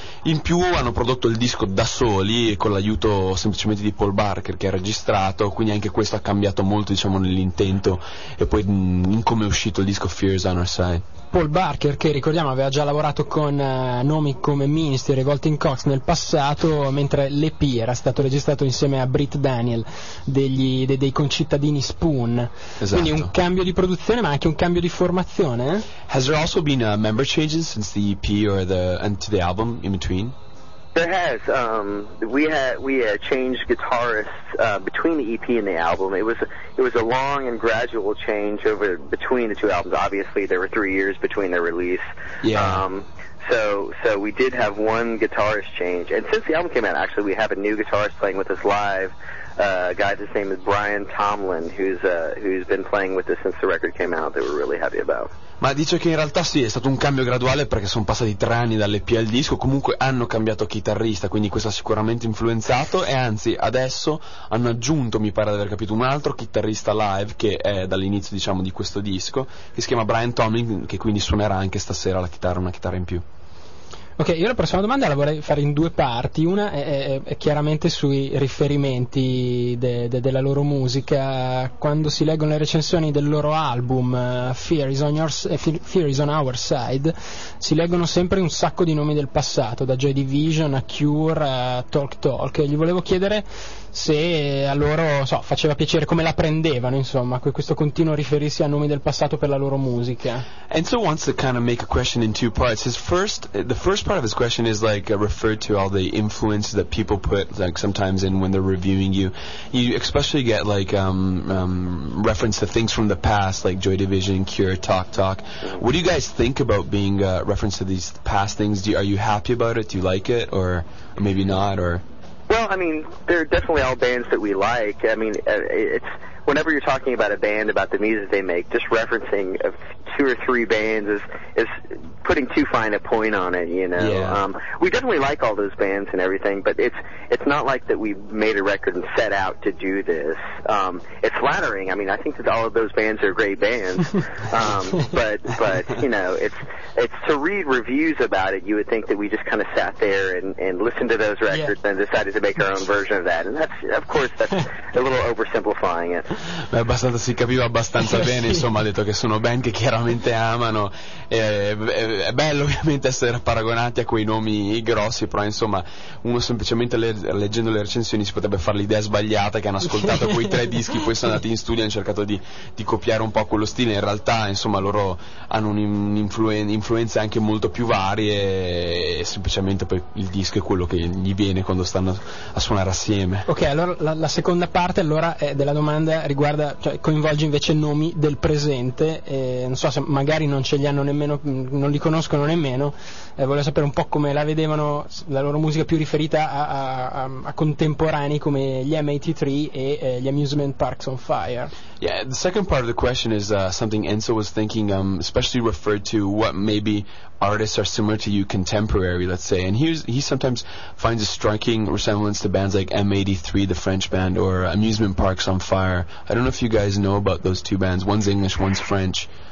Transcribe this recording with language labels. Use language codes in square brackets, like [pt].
[it] In più hanno prodotto il disco da soli, con l'aiuto semplicemente di Paul Barker che ha registrato, quindi anche questo ha cambiato molto diciamo nell'intento e poi in come è uscito il disco Fears on Our Side. Paul Barker, che ricordiamo aveva già lavorato con nomi come Ministry e Volting Cox nel passato, mentre l'EP era stato registrato insieme a Britt Daniel dei concittadini Spoon. Esatto. Quindi un cambio di produzione ma anche un cambio di formazione. [en] Has there also been member changes since the EP and to the album in between? There has. We had changed guitarists between the EP and the album. It was a long and gradual change over between the two albums. Obviously, there were 3 years between their release. Yeah. So we did have one guitarist change. And since the album came out, actually, we have a new guitarist playing with us live. A guy, his name is Brian Tomlin, who's been playing with us since the record came out. They were really happy about. [it] Ma dice che in realtà sì, è stato un cambio graduale perché sono passati 3 anni dall'EP al disco, comunque hanno cambiato chitarrista, quindi questo ha sicuramente influenzato, e anzi adesso hanno aggiunto, mi pare di aver capito, un altro chitarrista live che è dall'inizio diciamo di questo disco, che si chiama Brian Tomlin, che quindi suonerà anche stasera la chitarra, una chitarra in più. Ok, io la prossima domanda la vorrei fare in due parti. Una è chiaramente sui riferimenti della loro musica. Quando si leggono le recensioni del loro album Fear is on Our Side, si leggono sempre un sacco di nomi del passato, da Joy Division a Cure a Talk Talk. Gli volevo chiedere se a loro faceva piacere, come la prendevano, insomma, questo continuo riferirsi a nomi del passato per la loro musica. [en] Enzo wants to kind of make a question in two parts. His first, the first part of his question is like referred to all the influence that people put like sometimes in when they're reviewing you. You especially get like reference to things from the past, like Joy Division, Cure, Talk Talk. What do you guys think about being referenced to these past things? Are you happy about it? Do you like it, or maybe not? Or well, I mean, they're definitely all bands that we like. I mean, it's whenever you're talking about a band, about the music they make, just referencing two or three bands is putting too fine a point on it, you know. Yeah. We definitely like all those bands and everything, but it's not like that we made a record and set out to do this. It's flattering. I mean, I think that all of those bands are great bands. but you know, it's to read reviews about it, you would think that we just kind of sat there and listened to those records and decided to make our own version of that. And that's, of course, that's a little oversimplifying it. [it] Ma abbastanza, si capiva abbastanza bene, insomma, ha detto che sono band che chiaramente amano. È bello ovviamente essere paragonati a quei nomi grossi, però insomma uno semplicemente leggendo le recensioni si potrebbe fare l'idea sbagliata che hanno ascoltato quei tre dischi, poi sono andati in studio e hanno cercato di copiare un po' quello stile. In realtà insomma loro hanno un'influenza anche molto più varie e semplicemente poi il disco è quello che gli viene quando stanno a suonare assieme. Ok, allora la seconda parte allora della domanda riguarda, cioè coinvolge invece nomi del presente, non so se magari non ce li hanno nemmeno, non li conoscono nemmeno, voglio sapere un po' come la vedevano la loro musica più riferita a contemporanei come gli M83 e gli Amusement Parks on Fire. [en] Yeah, the second part of the question is something Enzo was thinking, especially referred to what maybe artists are similar to you contemporary, let's say, and he sometimes finds a striking resemblance to bands like M83, the French band, or Amusement Parks on Fire. I don't know if you guys know about those two bands, one's English, one's French.